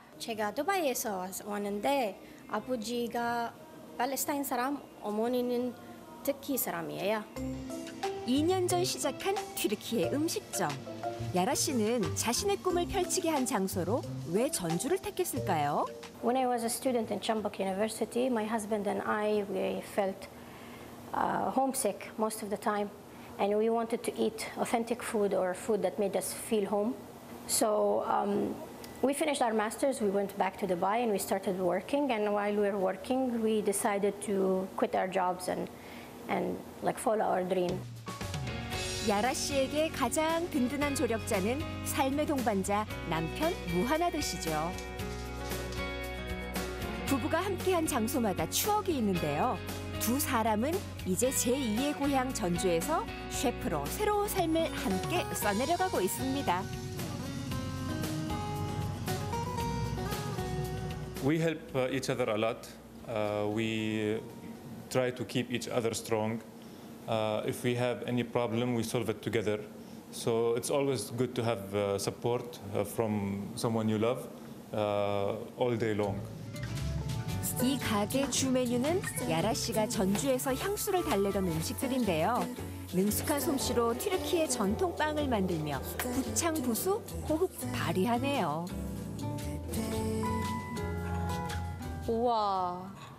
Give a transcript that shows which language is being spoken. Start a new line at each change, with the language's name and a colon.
Korean: 제가 두바이에서 왔는데 아버지가 팔레스타인 사람, 어머니는 터키 사람이에요. 2년 전 시작한 튀르키예 음식점. 야라 씨는 자신의 꿈을 펼치게 한 장소로 왜 전주를 택했을까요?
English: When I was a student in Chambuk University, my husband and I we felt homesick most of the time. And we wanted to eat authentic food or food that made us feel home. So we finished our masters, we went back to Dubai and we started working. And while we were working, we decided to quit our jobs and like follow our dream.
Korean: 야라 씨에게 가장 든든한 조력자는 삶의 동반자 남편 무하나드 씨죠. 부부가 함께한 장소마다 추억이 있는데요. 두 사람은 이제 제2의 고향 전주에서 셰프로 새로운 삶을 함께 써내려가고 있습니다.
English: We help each other a lot. We try to keep each other strong. If we have any problem, we solve it together. So it's always good to have support from someone you love all day long.
Korean: 이 가게 주 메뉴는 야라 씨가 전주에서 향수를 달래던 음식들인데요. 능숙한 솜씨로 튀르키예 전통 빵을 만들며 부창부수 호흡 발휘하네요. 우와.